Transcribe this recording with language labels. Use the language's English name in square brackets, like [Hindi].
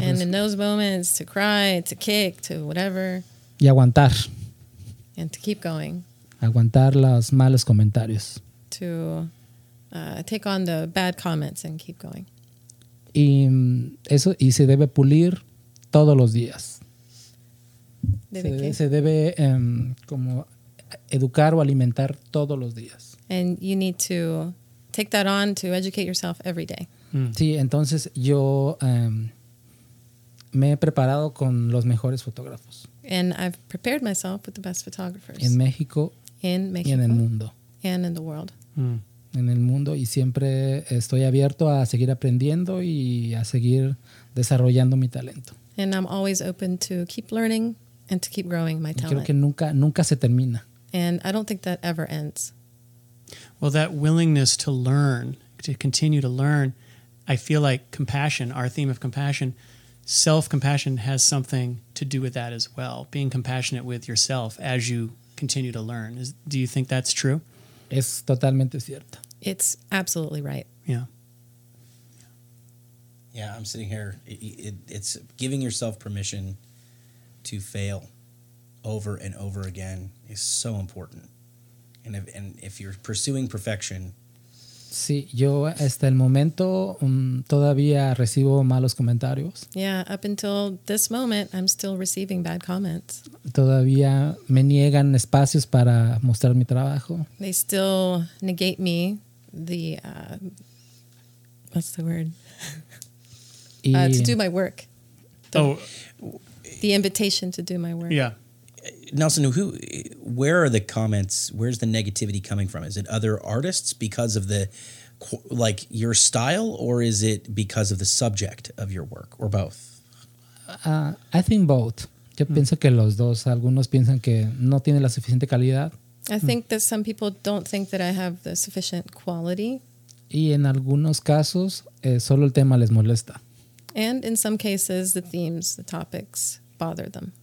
[English] And in those moments to cry, to kick, to whatever. [Spanish] Y aguantar. [English] And to keep going. [Spanish] Aguantar los malos comentarios. [English] To take on the bad comments and keep going. [Spanish] Y eso y se debe pulir todos los días. ¿Debe se debe como educar o alimentar todos los días. [English] And you need to take that on to educate yourself every day. Mm. [Spanish] Sí, entonces yo me he preparado con los mejores fotógrafos. [English] And I've prepared myself with the best photographers. [Spanish] En México. [English] In Mexico. [Spanish] Y en el mundo. [English] And in the world. Mm. [Spanish] En el mundo y siempre estoy abierto a seguir aprendiendo y a seguir desarrollando mi talento. [English] And I'm always open to keep learning and to keep growing my talent. [Spanish] Creo que nunca se termina. [English] And I don't think that ever ends. Well, that willingness to learn, to continue to learn, I feel like compassion, our theme of compassion, self-compassion has something to do with that as well, being compassionate with yourself as you continue to learn. Do you think that's true? [Spanish] Es totalmente cierto. [English] It's absolutely right. Yeah. Yeah, I'm sitting here. It's giving yourself permission to fail over and over again is so important. And if you're pursuing perfection. [Spanish] Sí, yo hasta el momento todavía recibo malos comentarios. [English] Yeah, up until this moment, I'm still receiving bad comments. [Spanish] Todavía me niegan espacios para mostrar mi trabajo. [English] They still negate me the, what's the word? to do my work. The invitation to do my work. Yeah. Nelson, where are the comments? Where's the negativity coming from? Is it other artists because of the, like, your style, or is it because of the subject of your work, or both? I think both. [Spanish] Yo pienso que los dos. Algunos piensan que no tiene la suficiente calidad. [English] I think that some people don't think that I have the sufficient quality. [Spanish] Y en algunos casos, solo el tema les molesta. [English] And in some cases, the themes, the topics bother them.